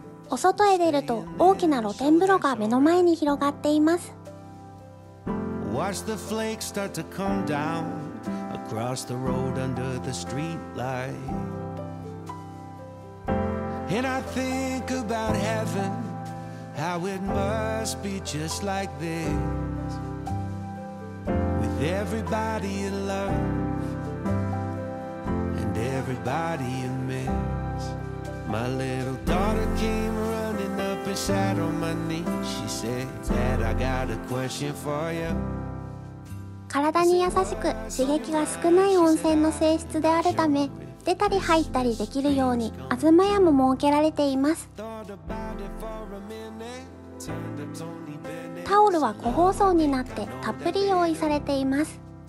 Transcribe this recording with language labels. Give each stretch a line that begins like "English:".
Japanese: お外へ出ると大きな露天風呂が目の前に広がっています。
English: Watch the flakes start to come down across the road under the street light. And I think about heaven. How it must be just like this With everybody in love And everybody in miss My little daughter came running up and sat on my knee She said, Dad, I got a question for you
Japanese: 体に優しく刺激が少ない温泉の性質であるため、出たり入ったりできるように東屋も設けられています。タオルは個包装になってたっぷり用意されています。